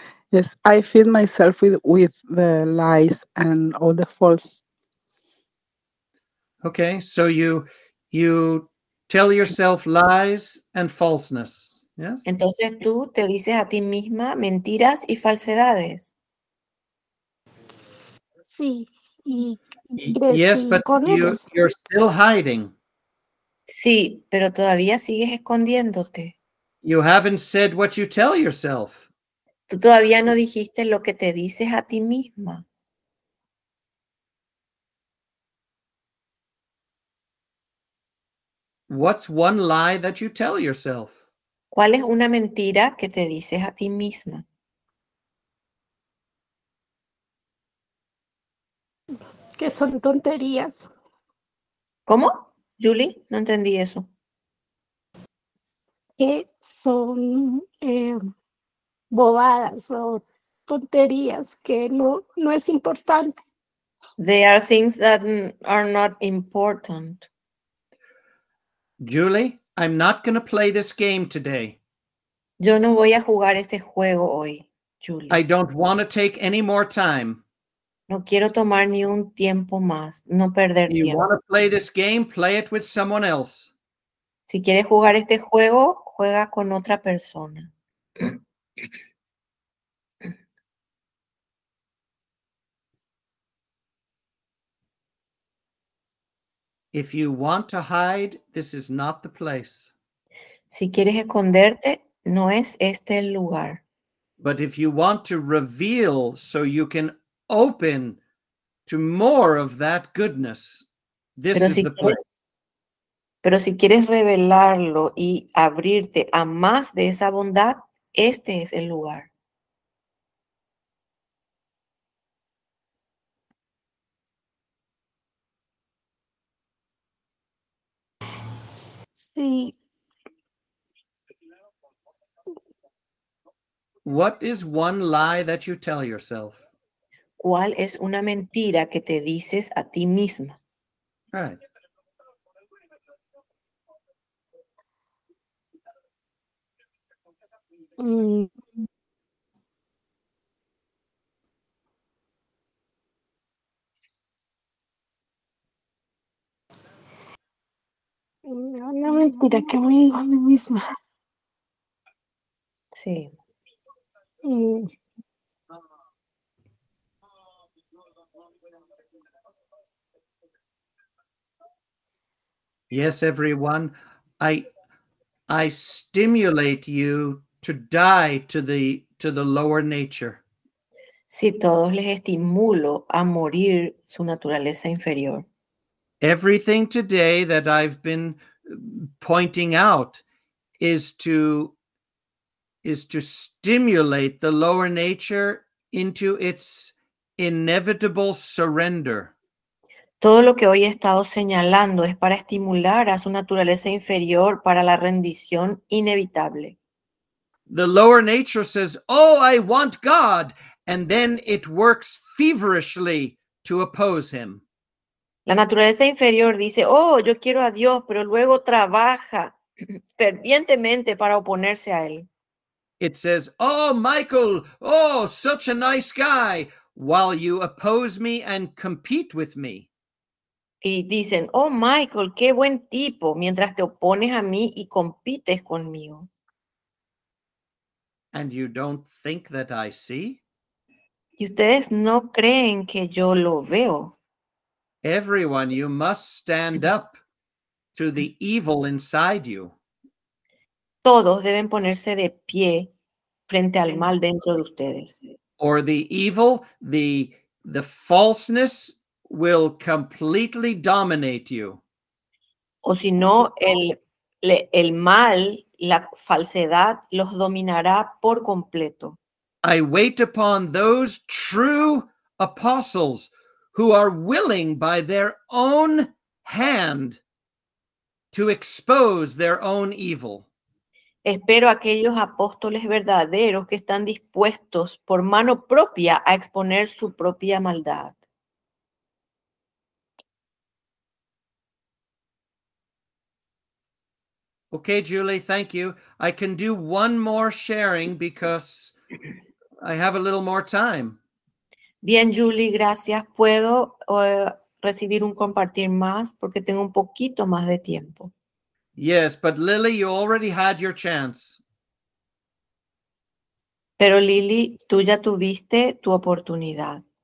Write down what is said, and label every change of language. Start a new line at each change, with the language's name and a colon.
English: Yes, I feel myself with the lies and all the false. Okay, so you tell yourself lies and falseness, yes?
Spanish: Entonces tú te dices a ti misma mentiras y falsedades. Sí.
English: Yes, but you're still hiding.
Spanish: Sí, pero todavía sigues escondiéndote.
English: You haven't said what you tell yourself.
Spanish: Tú todavía no dijiste lo que te dices a ti misma.
English: What's one lie that you tell yourself?
Spanish: ¿Cuál es una mentira que te dices a ti misma? Que son tonterías. ¿Cómo? Julie, no entendí eso. Que son bobadas o tonterías, que no es importante.
English: They are things that are not important. Julie, I'm not going to play this game today.
Spanish: Yo no voy a jugar este juego hoy, Julie.
English: I don't want to take any more time.
Spanish: No quiero tomar ni un tiempo más, no perder
English: you
Spanish: tiempo.
English: You want to play this game? Play it with someone else.
Spanish: Si quieres jugar este juego, juega con otra persona.
English: If you want to hide, this is not the place.
Spanish: Si quieres esconderte, no es este el lugar.
English: But if you want to reveal so you can open to more of that goodness, this
Spanish: pero
English: is
Spanish: si
English: the place.
Spanish: Pero si quieres revelarlo y abrirte a más de esa bondad, este es el lugar. Sí.
English: What is one lie that you tell yourself?
Spanish: ¿Cuál es una mentira que te dices a ti misma?
English: Right.
Spanish: Una mentira que me digo a mí misma. Sí.
English: Yes, everyone. I stimulate you to die to the lower nature.
Spanish: Sí, todos les estimulo a morir su naturaleza inferior.
English: Everything today that I've been pointing out is to stimulate the lower nature into its inevitable surrender.
Spanish: Todo lo que hoy he estado señalando es para estimular a su naturaleza inferior para la rendición inevitable.
English: The lower nature says, "Oh, I want God," and then it works feverishly to oppose him.
Spanish: La naturaleza inferior dice, "Oh, yo quiero a Dios," pero luego trabaja fervientemente para oponerse a él.
English: It says, "Oh, Michael, oh, such a nice guy," while you oppose me and compete with me.
Spanish: Y dicen, "Oh, Michael, qué buen tipo," mientras te opones a mí y compites conmigo.
English: And you don't think that I see?
Spanish: ¿Y ustedes no creen que yo lo veo?
English: Everyone, you must stand up to the evil inside you.
Spanish: Todos deben ponerse de pie frente al mal dentro de ustedes.
English: Or the evil, the falseness will completely dominate you.
Spanish: O si no, el mal, la falsedad los dominará por completo.
English: I wait upon those true apostles who are willing by their own hand to expose their own evil.
Spanish: Espero aquellos apóstoles verdaderos que están dispuestos por mano propia a exponer su propia maldad.
English: Okay, Julie, thank you. I can do one more sharing because I have a little more time.
Spanish: Bien, Julie, gracias. Puedo recibir un compartir más porque tengo un poquito más de tiempo.
English: Yes, but Lily, you already had your chance.
Spanish: Pero Lily, tú ya tuviste tu oportunidad.